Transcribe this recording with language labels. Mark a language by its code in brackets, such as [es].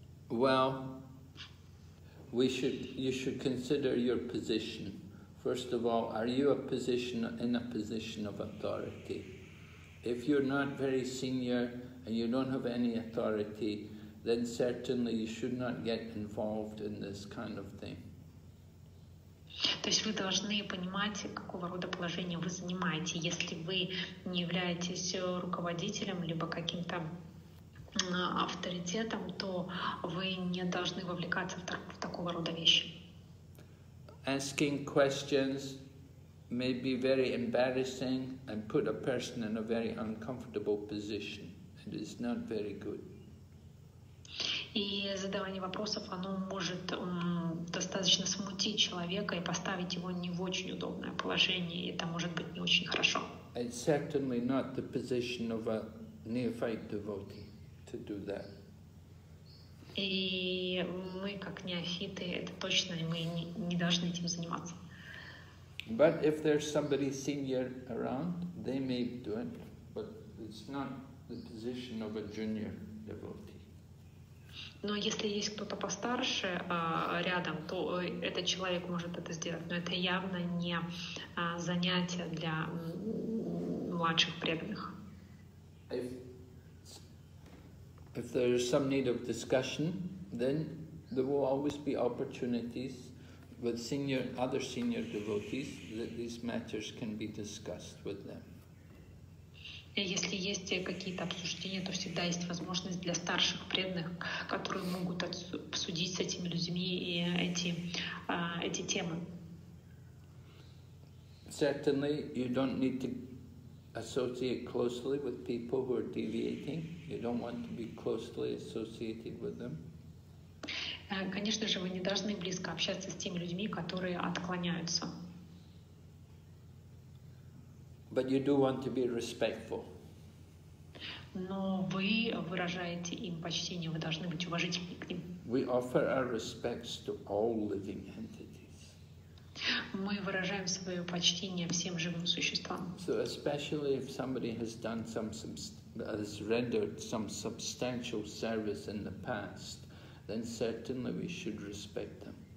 [en] Well, you should consider your position. First of all, are you in a position of authority? If you're not very senior and you don't have any authority, then certainly you should not get involved in this kind of thing. [ru] То есть вы должны понимать, какого рода положение вы занимаете, если вы не являетесь руководителем либо каким-то авторитетом, то вы не должны вовлекаться в такого рода вещи. [en] Asking questions may be very embarrassing and put a person in a very uncomfortable position. It is not very good. [ru] И задавание вопросов, оно может достаточно смутить человека и поставить его не в очень удобное положение, и это может быть не очень хорошо. [en] It's certainly not the position of a neophyte devotee to do that. [ru] И мы, как неофиты, это точно, мы не должны этим заниматься. [en] But if there's somebody senior around, they may do it, but it's not the position of a junior devotee. [ru] Но если есть кто-то постарше рядом, то этот человек может это сделать. Но это явно не занятие для младших преданных. [en] If there is some need of discussion, then there will always be opportunities with other senior devotees that these matters can be discussed with them. [ru] Если есть какие-то обсуждения, то всегда есть возможность для старших преданных, которые могут обсудить с этими людьми и эти темы. [en] Certainly, you don't need to associate closely with people who are deviating. You don't want to be closely associated with them. [ru] Конечно же, вы не должны близко общаться с теми людьми, которые отклоняются. [en] But you do want to be respectful. [ru] Но вы выражаете им почтение, вы должны быть уважительны к ним. [en] We offer our respects to all living entities. [ru] Мы выражаем свое почтение всем живым существам. [en] So especially if somebody has done some, has rendered some substantial service in the past, then certainly we should respect them.